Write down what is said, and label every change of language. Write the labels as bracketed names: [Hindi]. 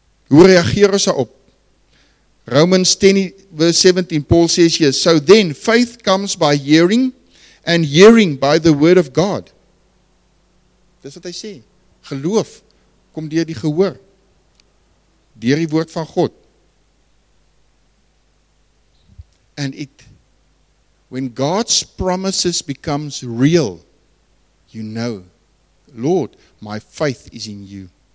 [Afrikaans] Hoe reageer ons daarop? [English] Romans 10 verse 17, Paul says here, so then faith comes by hearing, and hearing by the word of God. [Afrikaans] Dis wat hy sê, geloof kom deur die gehoor, deur die woord van God. [English] And it, when God's promises becomes real, you know, Lord, my faith is in you.